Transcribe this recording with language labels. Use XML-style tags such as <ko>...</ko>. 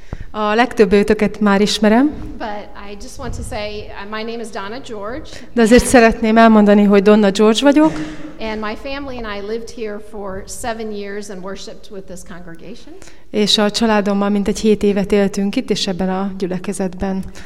<hu>A legtöbb őtöket már ismerem.</hu> <en>But I just want to say my name is Donna George.</en> <hu>De azért szeretném elmondani, hogy Donna George vagyok.</hu> <en>And my family and I lived here for 7 years and worshiped with this congregation.</en> <hu>És a családommal mintegy 7 évet éltünk itt és ebben a gyülekezetben.</hu>